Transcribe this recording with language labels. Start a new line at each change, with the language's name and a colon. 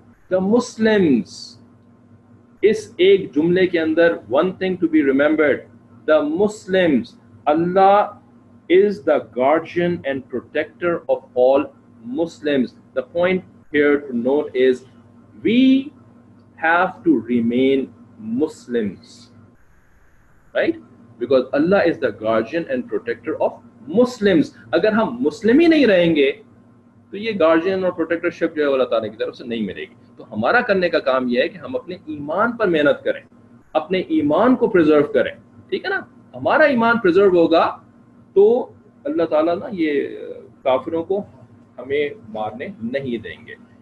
English: the Muslims,
Urdu: اس ایک جملے کے اندر
English: One thing to be remembered, the Muslims, Allah is the guardian and protector of all Muslims. The point here to note is we have to remain Muslims, right? Because Allah is the guardian and protector of Muslims.
Urdu: اگر ہم مسلم ہی نہیں رہیں گے تو یہ guardian اور protectorship جو ہے اللہ تعالیٰ کی طرف سے نہیں ملے گی. تو ہمارا کرنے کا کام یہ ہے کہ ہم اپنے ایمان پر محنت کریں, اپنے ایمان کو پرزرو کریں, ٹھیک ہے نا, ہمارا ایمان پرزرو ہوگا تو اللہ تعالیٰ نا یہ کافروں کو ہمیں مارنے نہیں دیں گے.